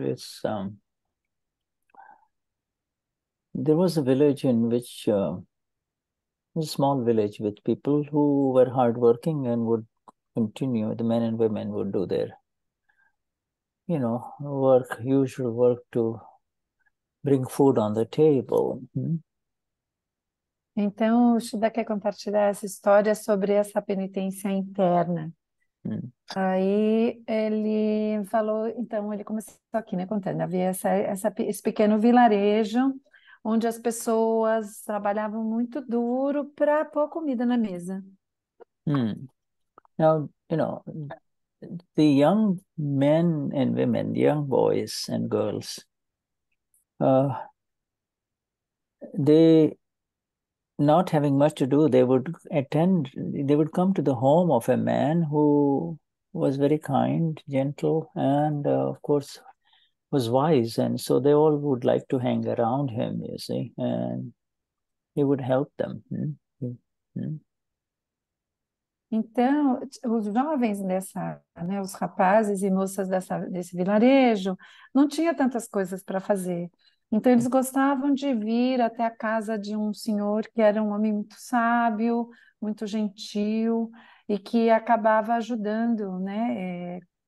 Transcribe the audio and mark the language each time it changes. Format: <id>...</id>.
<en>There was a village in which A small village with people who were hardworking and would continue. The men and women would do their, you know, work, usual work to bring food on the table.</en> <pt>Então, o Shuddha quer compartilhar essa história sobre essa penitência interna. Aí ele falou, então ele começou aqui, né, contando, havia esse pequeno vilarejo onde as pessoas trabalhavam muito duro para pôr comida na mesa.</pt> <en>Now, you know, the young men and women, the young boys and girls, they not having much to do, they would come to the home of a man who was very kind, gentle, and of course was wise, and so they all would like to hang around him, you see, and he would help them.</en> <pt>Então, os jovens dessa, né, os rapazes e moças dessa, desse vilarejo, não tinha tantas coisas para fazer. Então, eles gostavam de vir até a casa de um senhor que era um homem muito sábio, muito gentil, e que acabava ajudando, né?</pt>